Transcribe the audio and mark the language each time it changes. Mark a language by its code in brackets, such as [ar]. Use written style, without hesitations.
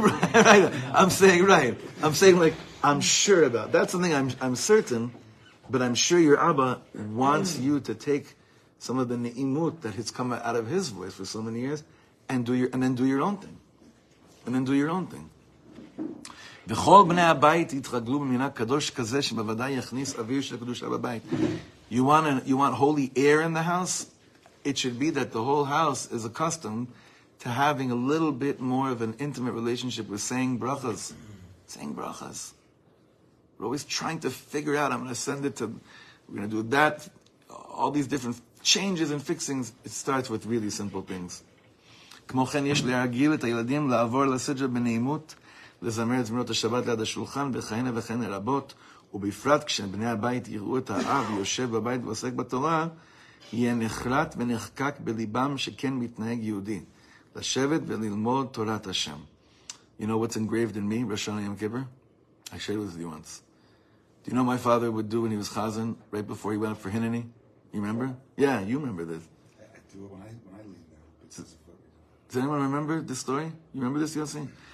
[en] Right, right. I'm saying, right. I'm saying, like, I'm sure about. That's something I'm certain, but I'm sure your Abba wants you to take some of the ne'imut that has come out of his voice for so many years and do your, and then do your own thing. And then do your own thing. [he] וכול בני הבית יתרגלו במינה קדוש כזה שבוודאי יכניס אוויר של קדושה בבית. [en] You want holy air in the house? It should be that the whole house is accustomed to having a little bit more of an intimate relationship with saying brachas. Saying brachas. We're always trying to figure out, I'm going to send it to, we're going to do that. All these different changes and fixings, it starts with really simple things. [he] כמו כן יש להרגיל את הילדים לעבור לסדר בנעימות, לזמר את זמירות השבת ליד השולחן, וכהנה וכהנה רבות, ובפרט כשבני הבית יראו את האב יושב בבית ועוסק בתורה, יהיה נחרט ונחקק בליבם שכן מתנהג יהודי, לשבת וללמוד תורת השם. [en] You know what's engraved in me, Rosh Hashanah Yom Kippur? I shared with you once. Do you know what my father would do when he was chazan, right before he went up for Hineni? You remember? Yeah, you remember this. I do it when I leave now. Does anyone remember this story? You remember this, Yossi?